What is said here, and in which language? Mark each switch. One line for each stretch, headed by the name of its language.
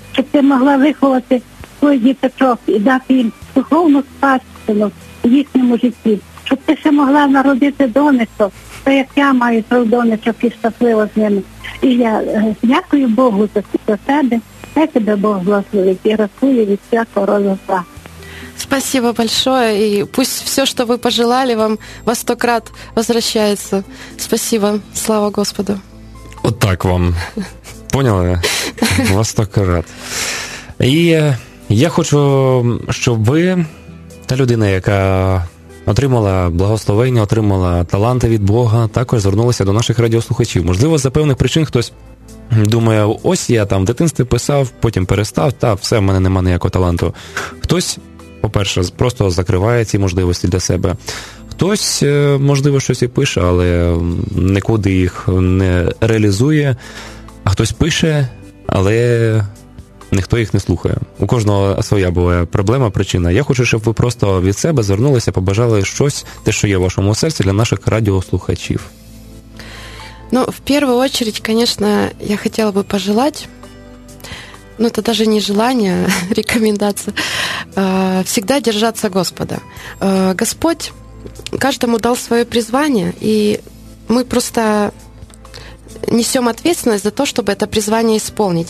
Ukrainian: Щоб ти могла виховати свої діточок і дати їм духовну спадщину в їхньому житті. Щоб ти ще могла народити донечко, то як я маю свій донечок і щаслива з ними. І я дякую Богу за тебе. Хай тебе Бог благословить і рятує від всякого роду зла.
Russian: Спасибо большое, и пусть все, что вы пожелали, вам во сто крат возвращается. Спасибо, слава Господу.
Ukrainian: От так вам.
Russian: Поняли? Востократ.
Ukrainian: І я хочу, щоб ви, та людина, яка отримала благословення, отримала таланти від Бога, також звернулася до наших радіослухачів. Можливо, за певних причин хтось думає, ось я там в дитинстві писав, потім перестав, та все, в мене нема ніякого таланту. Хтось, по-перше, просто закриває ці можливості для себе. Хтось, можливо, щось і пише, але нікуди їх не реалізує. А хтось пише, але ніхто їх не слухає. У кожного своя буває проблема, причина. Я хочу, щоб ви просто від себе звернулися, побажали щось, те, що є в вашому серці, для наших радіослухачів.
Russian: Ну, в первую очередь, конечно, я хотела бы пожелать, ну, это даже не желание, рекомендация, всегда держаться Господа. Господь каждому дал свое призвание, и мы просто несем ответственность за то, чтобы это призвание исполнить.